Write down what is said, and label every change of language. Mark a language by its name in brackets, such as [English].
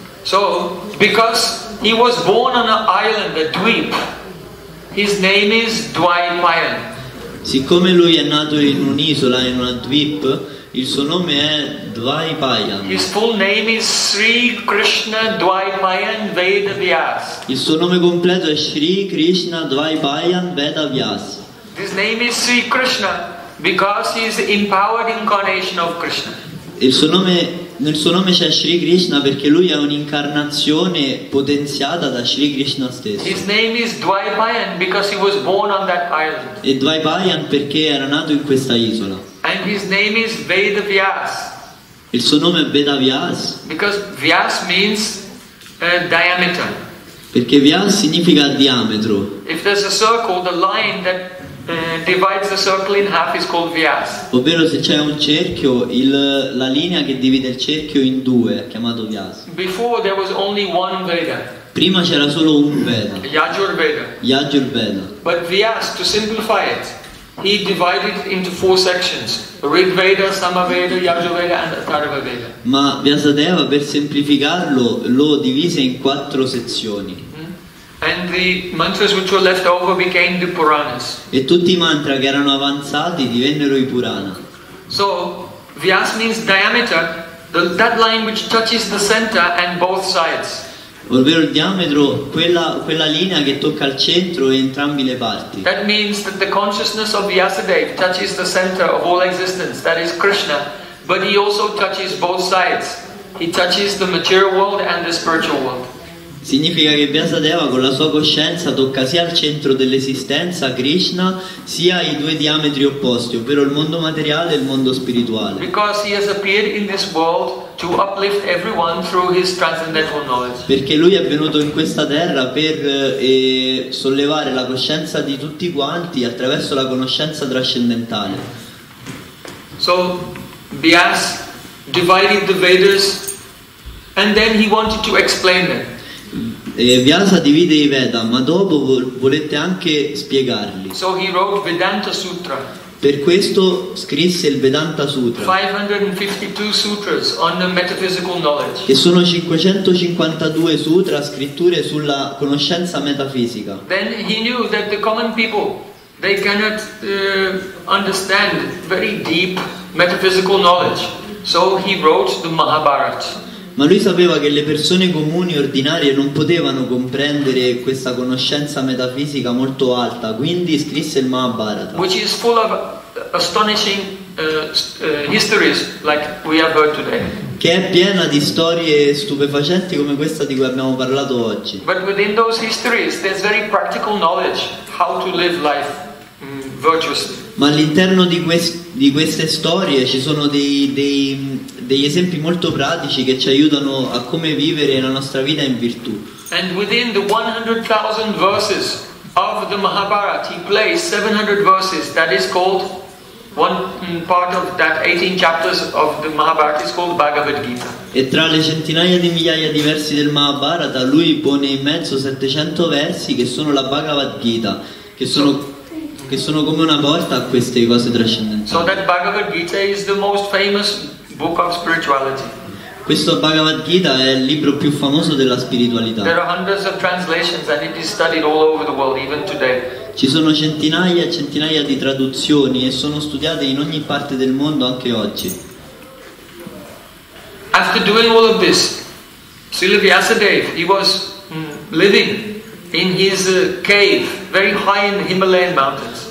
[English] So because he was born on an island, a dweep, his name is Dwaipayan. [Italian] Siccome lui è nato in un'isola, in una dvip, il suo nome è Dwaipayan. [English] His full name is Sri Krishna Dwaipayan Veda Vyas. [Italian] Il suo nome completo è Sri Krishna Dwaipayan Veda Vyas. [English] His name is Sri Krishna because he is the empowered incarnation of Krishna. [Italian] Il suo nome nel suo nome c'è Shri Krishna perché lui è un'incarnazione potenziata da Shri Krishna stesso. [English] His name is Dvaipayan because he was born on that island. [Italian] E Dvaipayan perché era nato in questa isola. [English] And his name is Vedavyas. [Italian] Il suo nome è Vedavyas. [English] Because Vyas means diameter. [Italian] Perché Vyas significa diametro. [English] If there's a circle, the line that divides the circle in half is called Vyas. [Italian] Ovvero se c'è un cerchio, la linea che divide il cerchio in due è chiamato Vyas. [English] Before there was only one Veda. [Italian] Prima c'era solo un Veda. [English] Yajurveda. [Italian] Yajurveda. [English] But Vyas, to simplify it, he divided it into four sections: Rig Veda, Sama Veda, Yajurveda and Atharva Veda. [Italian] Ma Vyasadeva, per semplificarlo, lo divise in quattro sezioni. [English] And the mantras which were left over became the Puranas. [Italian] E tutti i mantra che erano avanzati divennero i Purana. [English] So, Vyas means diameter, that line which touches the center and both sides. [Italian] Ovvero il diametro, quella linea che tocca il centro e entrambi le parti. [English] That means that the consciousness of Vyasadeva touches the center of all existence, that is Krishna, but he also touches both sides. He touches the material world and the spiritual world. [Italian] Significa che Vyasadeva con la sua coscienza tocca sia il centro dell'esistenza, Krishna, sia i due diametri opposti, ovvero il mondo materiale e il mondo spirituale. [English] Because he has appeared in this world to uplift everyone through his transcendental knowledge. [Italian] Perché lui è venuto in questa terra per sollevare la coscienza di tutti quanti attraverso la conoscenza trascendentale. [English] So Vyas divided the Vedas and then he wanted to explain them. [Italian] E Vyasa divide i Veda, ma dopo volete anche spiegarli. [English] So he wrote Vedanta Sutra. [Italian] Per questo scrisse il Vedanta Sutra. [English] 552 sutras on the metaphysical knowledge. [Italian] Che sono 552 sutra, scritture sulla conoscenza metafisica. [English] Then he knew that the common people, they cannot understand very deep metaphysical knowledge. So he wrote the Mahabharata. [Italian] Ma lui sapeva che le persone comuni e ordinarie non potevano comprendere questa conoscenza metafisica molto alta, quindi scrisse il Mahabharata. [English] Which is full of astonishing histories like we have heard today. [Italian] Che è piena di storie stupefacenti come questa di cui abbiamo parlato oggi. [English] But within those histories there's very practical knowledge how to live life virtuously. [Italian] Ma all'interno di queste storie ci sono degli esempi molto pratici che ci aiutano a come vivere la nostra vita in virtù. [English] And within the 100,000 verses of the Mahabharata he placed 700 verses that is called one part of that 18 chapters of the Mahabharata is called Bhagavad Gita. [Italian] E tra le centinaia di migliaia di versi del Mahabharata lui pone in mezzo 700 versi che sono la Bhagavad Gita, che sono come una porta a queste cose trascendenti. [English] So that Bhagavad Gita is the most famous book of spirituality. [Italian] Questo Bhagavad Gita è il libro più famoso della spiritualità. [English] There are hundreds of translations and it is studied all over the world even today. [Italian] Ci sono centinaia e centinaia di traduzioni e sono studiate in ogni parte del mondo anche oggi. [English] After doing all of this, Srila Vyasadeva, he was living in his cave, very high in the Himalayan mountains.